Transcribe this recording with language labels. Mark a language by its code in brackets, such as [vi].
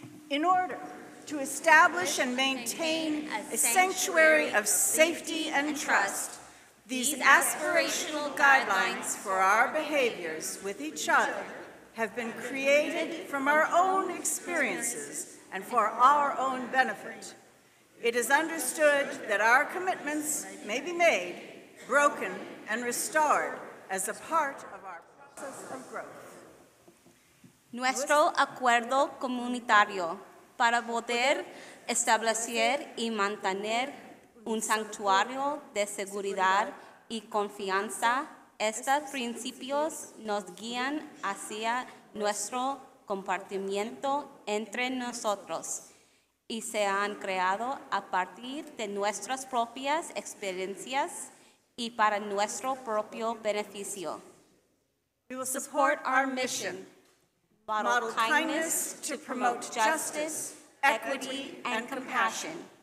[en] In order to establish and maintain a sanctuary of safety and trust, these aspirational guidelines for our behaviors with each other have been created from our own experiences and for our own benefit. It is understood that our commitments may be made, broken, and restored as a part of our process of growth. [es] Nuestro acuerdo comunitario para poder establecer y mantener un santuario de seguridad y confianza. Estos principios nos guían hacia nuestro compartimiento entre nosotros y se han creado a partir de nuestras propias experiencias y para nuestro propio beneficio. [en] We will support our mission, model kindness to promote justice, equity, and compassion,